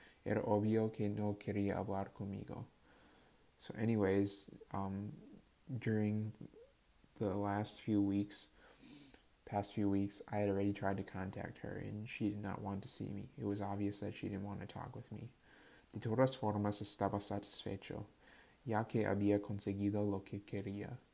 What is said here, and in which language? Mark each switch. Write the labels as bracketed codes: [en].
[es] Era obvio que no quería hablar conmigo. [en] So anyways, during the past few weeks, I had already tried to contact her and she did not want to see me. It was obvious that she didn't want to talk with me. [es] De todas formas, estaba satisfecho, ya que había conseguido lo que quería.